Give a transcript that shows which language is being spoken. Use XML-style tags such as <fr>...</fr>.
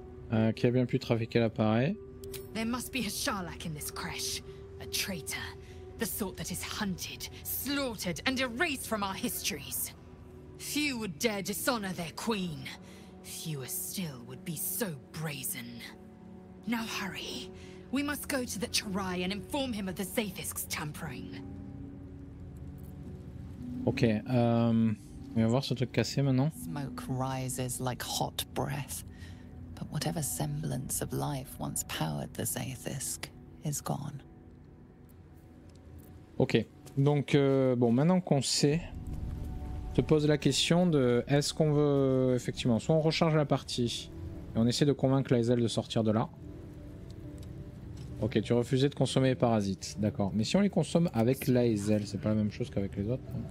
<fr>Qui a bien pu trafiquer l'appareil?</fr> <en>There must be a Charlak in this creche. A traitor. The sort that is hunted, slaughtered, and erased from our histories. Few would dare dishonor their queen. Fewer still would be so brazen. Now hurry. We must go to the Chirai and inform him of the Zathisk's tampering.</en> <fr>Okay, on va voir ce truc cassé maintenant.</fr> <en>Smoke rises like hot breath. But whatever semblance of life once powered the Zathisk is gone.</en> <fr>Ok, donc bon, maintenant qu'on sait, se pose la question de est-ce qu'on veut effectivement, soit on recharge la partie et on essaie de convaincre Lysel de sortir de là. Ok, tu refusais de consommer les parasites, d'accord. Mais si on les consomme avec Lysel, c'est pas la même chose qu'avec les autres.</fr>